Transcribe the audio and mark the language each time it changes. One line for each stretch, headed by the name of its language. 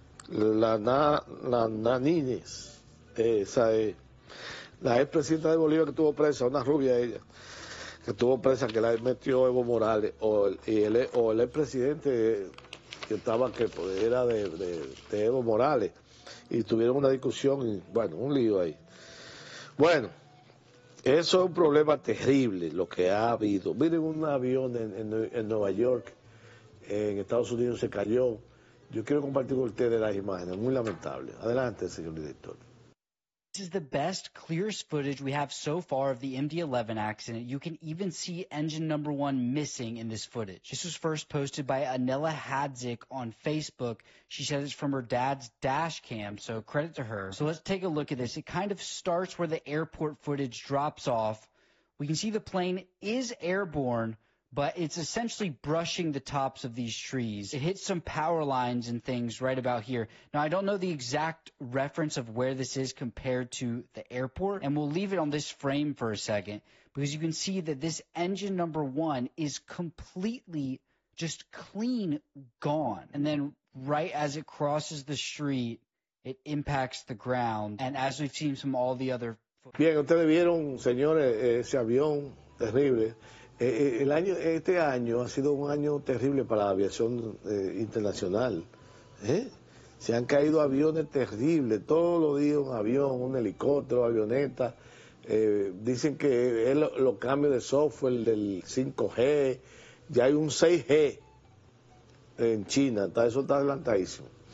Spanish: Nanines, esa es la ex presidenta de Bolivia que estuvo presa, una rubia ella, que estuvo presa, que la metió Evo Morales, o el ex presidente que estaba, que pues, era de Evo Morales, y tuvieron una discusión, y, bueno, un lío ahí. Bueno, eso es un problema terrible, lo que ha habido. Miren, un avión en Nueva York, en Estados Unidos, se cayó. Yo quiero compartir con ustedes las imágenes, muy lamentable. Adelante, señor director.
English: This is the best, clearest footage we have so far of the MD-11 accident. You can even see engine number one missing in this footage. This was first posted by Anela Hadzik on Facebook. She said it's from her dad's dash cam, so credit to her. So let's take a look at this. It kind of starts where the airport footage drops off. We can see the plane is airborne, but it's essentially brushing the tops of these trees. It hits some power lines and things right about here. Now, I don't know the exact reference of where this is compared to the airport, and we'll leave it on this frame for a second, because you can see that this engine number one is completely just clean gone. And then right as it crosses the street, it impacts the ground. And as we've seen from all the other...
Spanish: Bien, ustedes vieron, señores, ese avión terrible. Este año ha sido un año terrible para la aviación internacional. ¿Eh? Se han caído aviones terribles, todos los días un avión, un helicóptero, avioneta. Dicen que es los cambios de software del 5G, ya hay un 6G en China, eso está adelantadísimo.